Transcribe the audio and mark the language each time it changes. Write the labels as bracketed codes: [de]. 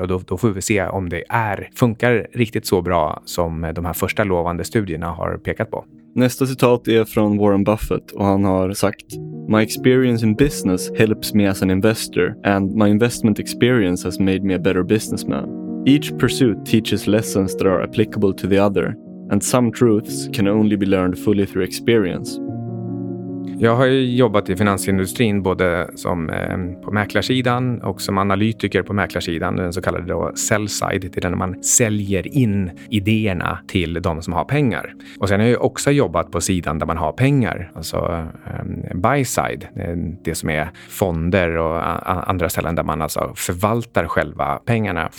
[sv] Och då får vi se om det funkar riktigt så bra som de här första lovande studierna har pekat på. Nästa citat är från Warren Buffett och han har sagt: [en] "My experience in business helps me as an investor and my investment experience has made me a better businessman. Each pursuit teaches lessons that are applicable to the other and some truths can only be learned fully through experience." [sv] Jag har ju jobbat i finansindustrin både som på mäklarsidan och som analytiker på mäklarsidan, den så kallade då sell side, det är när man säljer in idéerna till de som har pengar. Och sen har jag också jobbat på sidan där man har pengar, alltså buy side, det som är fonder och andra ställen där man alltså förvaltar själva pengarna.